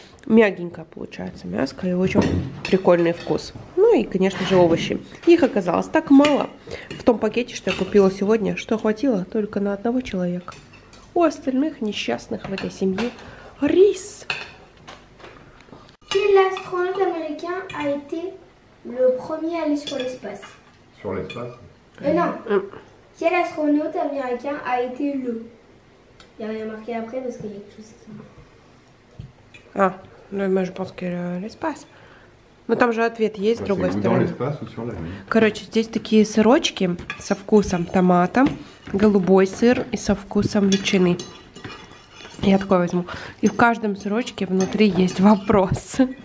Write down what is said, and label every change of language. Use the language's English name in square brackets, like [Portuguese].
[Russian] Мягенькое получается мяско и очень прикольный вкус. Ну и, конечно же, овощи. Их оказалось так мало в том пакете, что я купила сегодня, что хватило только на одного человека. У остальных несчастных в этой семье рис. [French] Quel astronaute américain a été le premier à aller sur l'espace? Sur l'espace? Non. Quel astronaute américain a été le? Il y a rien marqué après parce qu'il y a quelque chose qui... [Russian] А, ну, мы же по-скорее леспас. Но там же ответ есть, с другой стороны. Короче, здесь такие сырочки со вкусом томата, голубой сыр и со вкусом ветчины. Я такой возьму. И в каждом сырочке внутри есть вопрос.